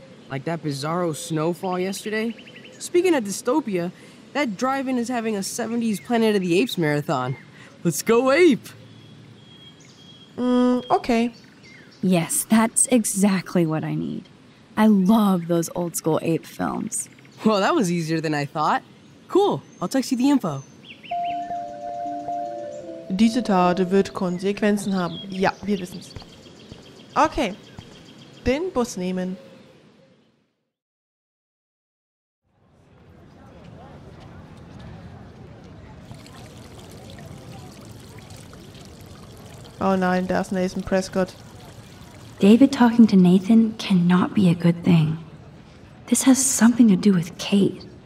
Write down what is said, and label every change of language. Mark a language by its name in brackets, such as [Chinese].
[English] Like that bizarro snowfall yesterday? Speaking of dystopia, that drive-in is having a 70s Planet of the Apes marathon. Let's go ape! Okay. Yes, that's exactly what I need. I love those old-school ape films. Well, that was easier than I thought. Cool, I'll text you the info. [German] Diese Tat wird Konsequenzen haben. Ja, wir wissen's. Okay, den Bus nehmen. Oh nein, da ist Nathan Prescott. [English] David talking to Nathan cannot be a good thing. This has something to do with Kate.